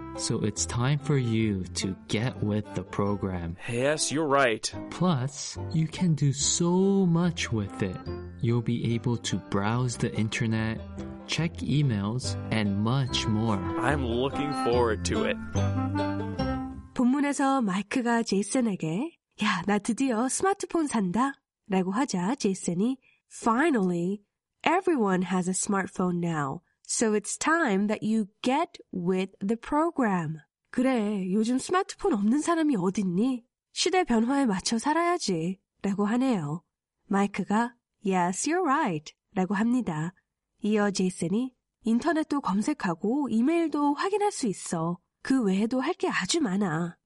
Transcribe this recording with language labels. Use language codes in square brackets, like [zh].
[en] So it's time for you to get with the program. Yes, you're right. Plus, you can do so much with it. You'll be able to browse the internet, check emails, and much more. I'm looking forward to it. [ko] 본문에서 마이크가 제이슨에게, 야, 나 드디어 스마트폰 산다. 라고 하자 제이슨이 [en] Finally, everyone has a smartphone now. So it's time that you get with the program. [ko] 그래, 요즘 스마트폰 없는 사람이 어딨니? 시대 변화에 맞춰 살아야지. 라고 하네요. 마이크가 [en] Yes, you're right. [ko] 라고 합니다. 이어 제이슨이 인터넷도 검색하고 이메일도 확인할 수 있어. 그 외에도 할 게 아주 많아.